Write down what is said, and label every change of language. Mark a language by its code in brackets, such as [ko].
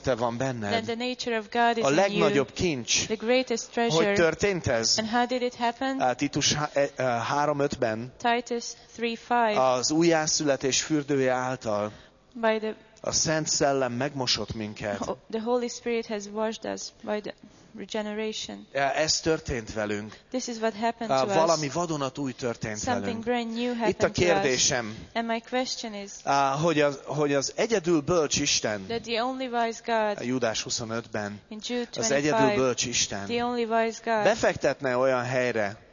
[en] Christ, [hu] van benned. [en] Then the nature of God is [hu] a legnagyobb kincs. [en] The greatest treasure. [hu] Hogy történt ez? [en] And how did it happen? [hu] Titus 3:5-ben. [en] Titus 3:5. [hu] Az újjászületés fürdője által. [en] By the [hu] a Szent Szellem megmosott minket. [en] The Holy Spirit has washed us by the regeneration. [hu] Ez történt velünk. [en] This is what happened to [hu] valami vadonatúj történt [en] Something Brand new happened [hu] Itt a kérdésem. [en] To us. And my question is, [hu] hogy az egyedül bölcs Isten, [en] that the only wise God, [hu] a Júdás 25-ben, [en] in Jude 25, [hu] az egyedül bölcs Isten, [en] the only wise God, [hu] befektetne olyan helyre,